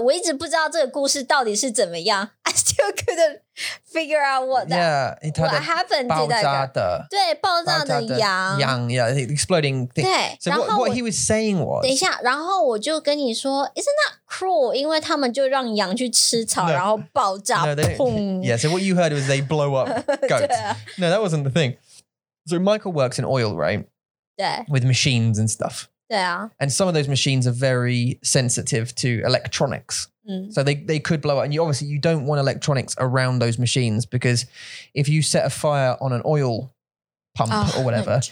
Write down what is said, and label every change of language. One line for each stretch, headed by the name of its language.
Chinese: 我一直不知道这个故事到底是怎么样。
English: I still couldn't figure out what happened to that.
Chinese: 爆炸的。对，爆炸的羊。
English: 羊 yeah, exploding thing.
Chinese: 对。
English: So what he was saying was...
Chinese: 等一下，然后我就跟你说
English: isn't that cruel?
Chinese: 因为他们就让羊去吃草 然后爆炸。砰。
English: Yeah, so what you heard was they blow up goats.
Chinese: 对啊。
English: No, that wasn't the thing. So Michael works in oil, right? Yeah. With machines and stuff. Yeah. And some of those machines are very sensitive to electronics. Mm. So they could blow up. And you don't want electronics around those machines because if you set a fire on an oil pump or whatever,